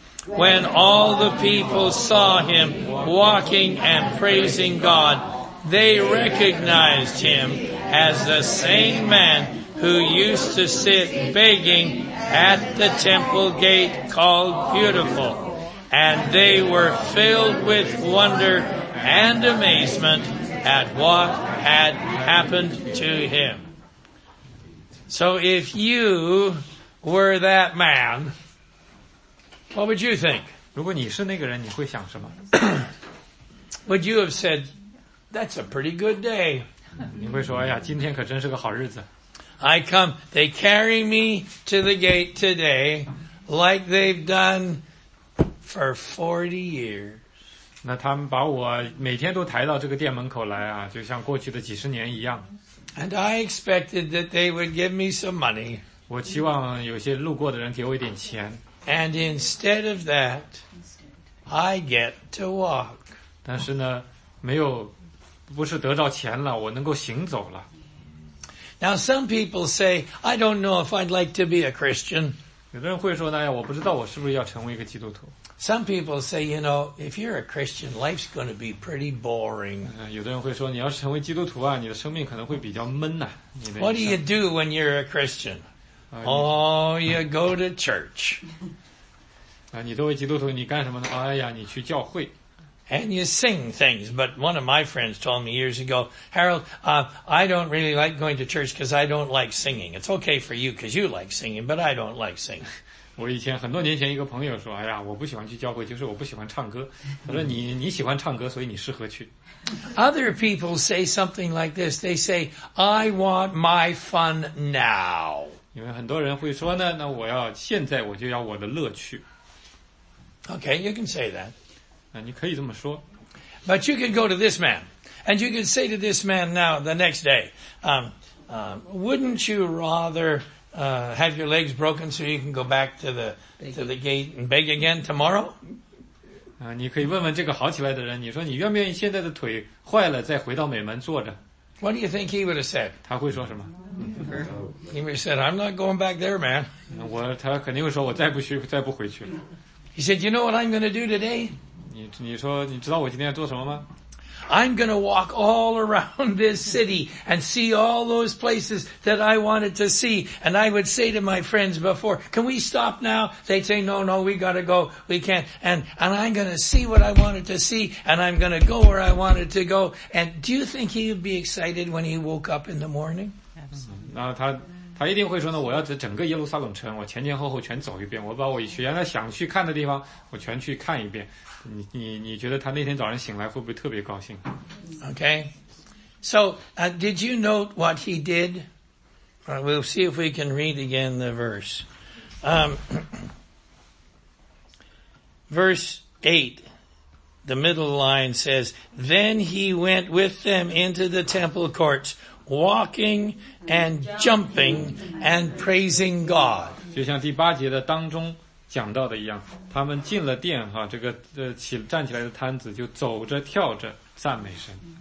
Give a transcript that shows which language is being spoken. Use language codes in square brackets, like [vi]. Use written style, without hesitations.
[en] When all the people saw him walking and praising God, they recognized him as the same man who used to sit begging at the temple gate called Beautiful. And they were filled with wonder and amazement at what had happened to him. So if you were that man, what would you think? [zh] 如果你是那个人，你会想什么？ [en] Would you have said, "That's a pretty good day"? [zh] 你会说，哎呀，今天可真是个好日子。 [en] I come, they carry me to the gate today like they've done for 40 years. [zh] 那他们把我每天都抬到这个店门口来啊，就像过去的几十年一样。 [en] And I expected that they would give me some money. [zh] 我期望有些路过的人给我一点钱。 [en] And instead of that, I get to walk. [zh] 但是呢，没有，不是得到钱了，我能够行走了。 [en] Now some people say, "I don't know if I'd like to be a Christian." [zh] 有的人会说那样，我不知道我是不是要成为一个基督徒。 [en] Some people say, "You know, if you're a Christian, life's going to be pretty boring." [zh] 有的人会说，你要是成为基督徒啊，你的生命可能会比较闷呐。 [en] What do you do when you're a Christian? Oh, you go to church. [zh] 啊，你作为基督徒，你干什么呢？哎呀，你去教会。 [en] And you sing things, but one of my friends told me years ago, "Harold, I don't really like going to church because I don't like singing. It's okay for you because you like singing, but I don't like singing." [zh] 我以前很多年前一个朋友说，哎呀，我不喜欢去教会，就是我不喜欢唱歌。他说你喜欢唱歌，所以你适合去。 [en] Other people say something like this. They say, I want my fun now. [zh] 因为很多人会说呢，那我要现在我就要我的乐趣。 [en] Okay, you can say that. [zh] 你可以这么说。 [en] But you can go to this man. And you can say to this man now, the next day, wouldn't you rather have your legs broken so you can go back to the gate and beg again tomorrow? [zh] 你可以问问这个好起来的人，你说你愿不愿意现在的腿坏了再回到美门坐着？ [en] What do you think he would have said? [zh] 他会说什么？ [en] He would have said, I'm not going back there, man. [zh] 他肯定会说我再不回去了。 [en] He said, you know what I'm going to do today? [zh] 你说你知道我今天要做什么吗？ [en] I'm going to walk all around this city and see all those places that I wanted to see. And I would say to my friends before, can we stop now? They'd say, no, no, we got to go. We can't. And I'm going to see what I wanted to see. And I'm going to go where I wanted to go. And do you think he would be excited when he woke up in the morning? Absolutely. [zh] 他一定会说呢，我要在整个耶路撒冷城，我前前后后全走一遍，我把我原来想去看的地方，我全去看一遍。你觉得他那天早上醒来会不会特别高兴 [en] ？Okay, so did you note what he did? We'll see if we can read again the verse. Verse 8, the middle line says, "Then he went with them into the temple courts." Walking and jumping and praising God. [zh] 就像第八节的当中讲到的一样，他们进了殿哈，站起来的摊子就走着跳着赞美神。